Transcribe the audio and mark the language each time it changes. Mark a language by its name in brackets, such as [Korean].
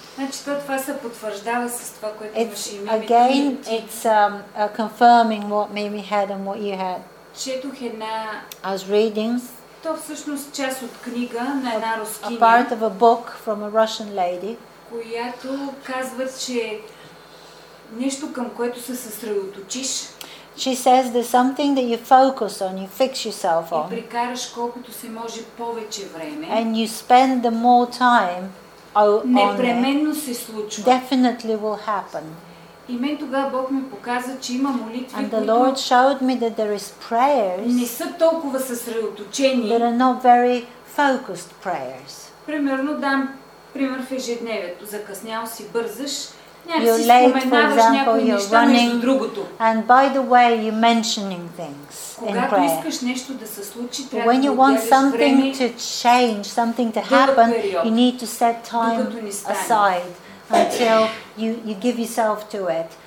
[Bulgarian] Значи това се потвърждава с това, което [English] it's, [Bulgarian] имаше и Мими. [English] Again, it's confirming what Mimi had and what you had. [Bulgarian] Четох една... [English] I was reading. [Bulgarian] То всъщност част от книга на една рускиня. [English] A part of a book from a Russian lady. [Bulgarian] Която казва, че нещо, към което се съсредоточиш. [English] She says there's something that you focus on, you fix yourself on. [Bulgarian] И прикараш колкото се може повече време. [English] And you spend the more time on it. [Bulgarian] Непременно се случва. [English] Definitely will happen. [Bulgarian] И мен тогава Бог ми показа, че има молитви, [English] and the Lord showed me that there is prayers. [Bulgarian] Не са толкова съсредоточени. [English] That are not very focused prayers. [Bulgarian] Примерно дам пример в ежедневието. Закъснял си, бързаш, [English] You're late, for example, you're running. And by the way, you're mentioning things in prayer. When you want something to change, something to happen, you need to set time aside until you give yourself to it.